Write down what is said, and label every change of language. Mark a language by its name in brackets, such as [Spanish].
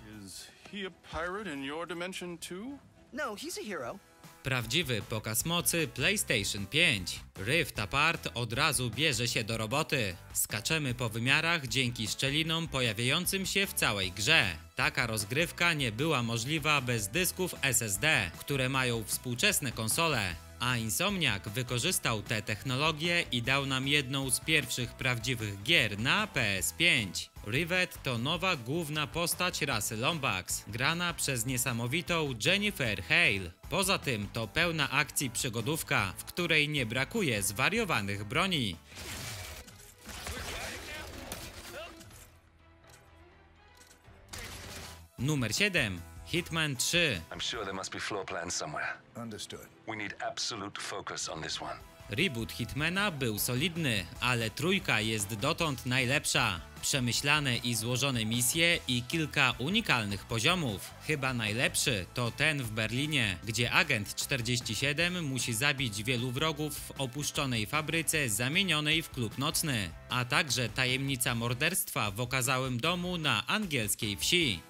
[English] Is he a pirate in your dimension too? No, he's a hero. [Polish] Prawdziwy pokaz mocy PlayStation 5. Rift Apart od razu bierze się do roboty. Skaczemy po wymiarach dzięki szczelinom pojawiającym się w całej grze. Taka rozgrywka nie była możliwa bez dysków SSD, które mają współczesne konsole. A Insomniac wykorzystał tę technologię i dał nam jedną z pierwszych prawdziwych gier na PS5. Rivet to nowa główna postać rasy Lombax, grana przez niesamowitą Jennifer Hale. Poza tym to pełna akcji przygodówka, w której nie brakuje zwariowanych broni. Numer 7. Hitman 3. [English] I'm sure there must be floor plans somewhere. Understood. We need absolute focus on this one. [Polish] Reboot Hitmana był solidny, ale trójka jest dotąd najlepsza. Przemyślane i złożone misje i kilka unikalnych poziomów. Chyba najlepszy to ten w Berlinie, gdzie agent 47 musi zabić wielu wrogów w opuszczonej fabryce zamienionej w klub nocny, a także tajemnica morderstwa w okazałym domu na angielskiej wsi.